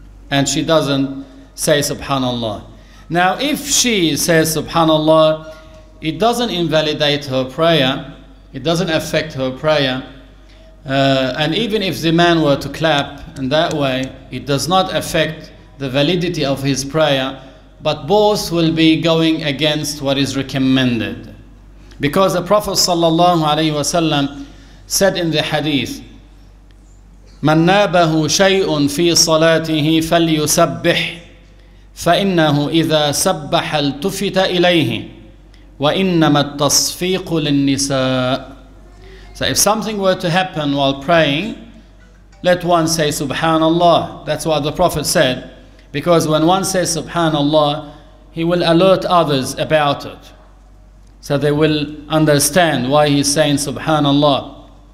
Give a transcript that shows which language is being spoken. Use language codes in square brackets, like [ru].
[en] And she doesn't say subhanallah. Now, if she says subhanallah, it doesn't invalidate her prayer. It doesn't affect her prayer. And even if the man were to clap in that way, it does not affect the validity of his prayer. But both will be going against what is recommended. Because the Prophet sallallahu alaihi wasallam said in the hadith, [ar] مَنْ نَابَهُ شَيْءٌ فِي صَلَاتِهِ فَلْيُسَبِّحْ فَإِنَّهُ إِذَا سَبَّحَ الْتُفِتَ إِلَيْهِ وَإِنَّمَا التَّصْفِيقُ لِلنِّسَاءِ. [en] So if something were to happen while praying, let one say subhanallah. That's what the Prophet said. Because when one says subhanallah, he will alert others about it. So they will understand why he's saying subhanallah.